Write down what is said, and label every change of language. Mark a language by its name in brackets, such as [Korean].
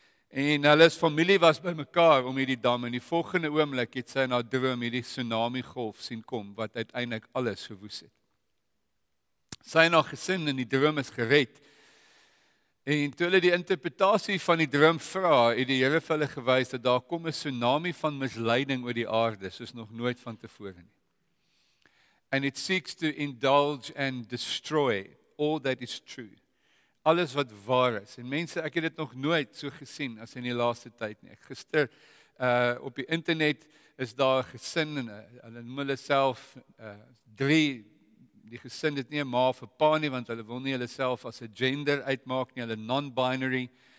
[Afrikaans] En hulle se familie was by mekaar om hierdie dam en die volgende oomblik het sy in haar droom hierdie tsunami golf sien kom wat uiteindelik alles verwoes het. Sy en haar gesin in die droom is gered. En toe hulle die interpretatie van die droom vra, het die Here vir hulle gewys dat daar kom 'n tsunami van misleiding oor die aarde, soos nog nooit van tevore nie. [English] And it seeks to indulge and destroy all that is true. [Afrikaans] Alles wat waar is. En mense, ek het dit nog nooit so gesien as in die laaste tyd nie. Gister op die internet is daar 'n gesin en hulle noem hulle self drie. Die gesin het nie 'n ma of 'n pa nie, want hulle wil nie hulle self as 'n gender uitmaak nie, hulle non-binary.